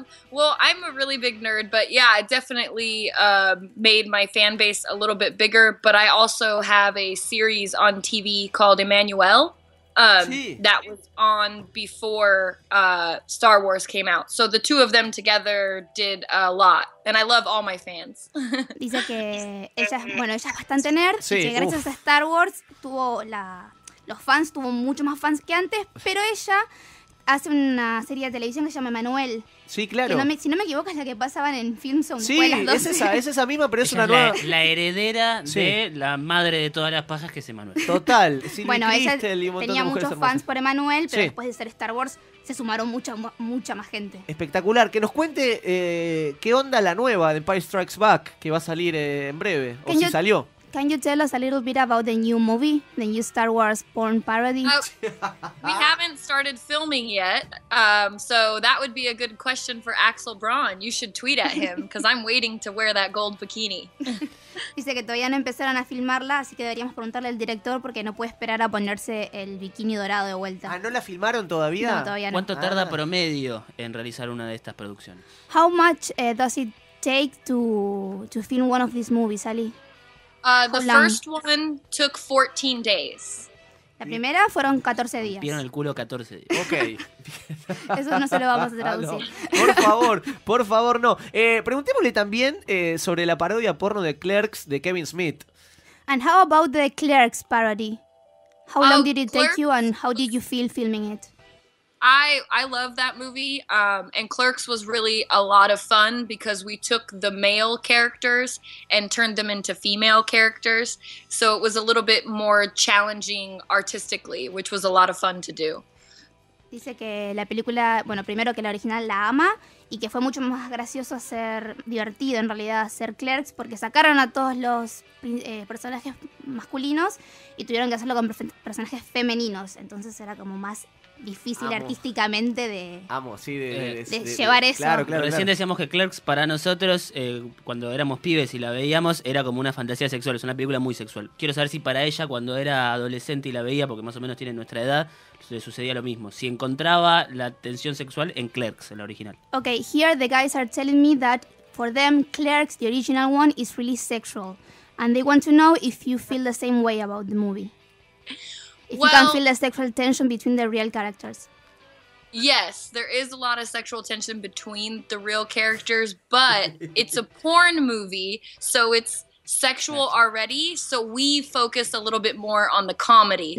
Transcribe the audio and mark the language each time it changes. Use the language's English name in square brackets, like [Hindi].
[English] Well, I'm a really big nerd, but yeah, I definitely made my fan base a little bit bigger, but I also have a series on TV called Emmanuel. Sí. That was on before Star Wars came out. So the two of them together did a lot. And I love all my fans. [Spanish] Dice que ella es bastante nerd. Sí. Y que gracias a Star Wars tuvo los fans, tuvo mucho más fans que antes. Pero ella hace una serie de televisión que se llama Emmanuel. Sí, claro. Que si no me equivoco es la que pasaban en Filmzone. Sí, es esa misma, pero es una nueva. La heredera de la madre de todas las pajas, que es Emmanuel. Total. Bueno, ella tenía muchos fans por Emmanuel, pero después de ser Star Wars se sumaron mucha más gente. Espectacular. Que nos cuente qué onda la nueva de Empire Strikes Back, que va a salir en breve, si salió. [English] Can you tell us a little bit about the new movie, the new Star Wars porn parody? We haven't started filming yet, so that would be a good question for Axel Braun. You should tweet at him, because I'm waiting to wear that gold bikini. [Spanish] Dice que todavía no empezaron a filmarla, así que deberíamos preguntarle al director porque no puede esperar a ponerse el bikini dorado de vuelta. Ah, ¿no la filmaron todavía? No, todavía no. ¿Cuánto tarda promedio en realizar una de estas producciones? [English] How much does it take to film one of these movies, Ali? First one took 14 days. [Spanish] La primera fueron 14 días. Vieron el culo 14 días. Ok. Eso no se lo vamos a traducir. No. Por favor, no. Preguntémosle también sobre la parodia porno de Clerks de Kevin Smith. [English] And how about the Clerks parody? How long did it take you and how did you feel filming it? I love that movie, and Clerks was really a lot of fun because we took the male characters and turned them into female characters, so it was a little bit more challenging artistically, which was a lot of fun to do. [Spanish] Dice que la película, bueno, primero que la original la ama, y que fue mucho más gracioso hacer, divertido en realidad, hacer Clerks, porque sacaron a todos los personajes masculinos y tuvieron que hacerlo con personajes femeninos, entonces era como más difícil artísticamente de llevar eso. Claro. Recién decíamos que Clerks para nosotros, cuando éramos pibes y la veíamos, era como una fantasía sexual, es una película muy sexual. Quiero saber si para ella, cuando era adolescente y la veía, porque más o menos tiene nuestra edad, le sucedía lo mismo. Si encontraba la tensión sexual en Clerks, en la original. [English] Okay, here the guys are telling me that for them, Clerks, the original one, is really sexual. And they want to know if you feel the same way about the movie. You can feel the sexual tension between the real characters. Yes, there is a lot of sexual tension between the real characters, but it's a porn movie, so it's sexual already, so we focus a little bit more on the comedy.